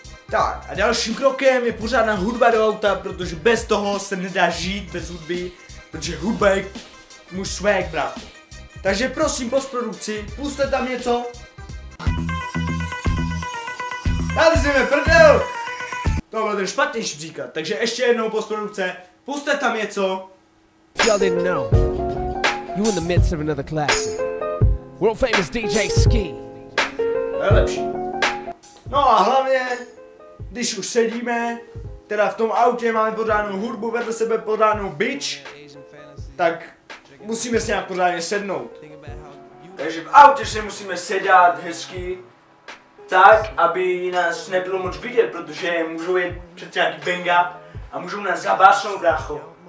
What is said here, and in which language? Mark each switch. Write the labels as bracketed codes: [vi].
[cs] Tak a dalším krokem je pořádná hudba do auta, protože bez toho se nedá žít, bez hudby. Protože hudba je můj swag, brácho. Takže prosím postprodukci, pusťte tam něco. Tady jsme prdel! To bylo ten špatnější příklad, takže ještě jednou postprodukce, pusťte tam něco. [en] Y'all didn't know, you in the midst of another classic, world famous DJ Ski. [cs] Nejlepší. No a hlavně, když už sedíme, teda v tom autě máme pořádnou hudbu vedle sebe, pořádnou bitch, tak musíme si nějak pořádně sednout. Takže v autě se musíme sedat hezky tak, aby nás nebylo moc vidět, protože můžou jít přece nějaký benga a můžou nás zabásnout, brácho.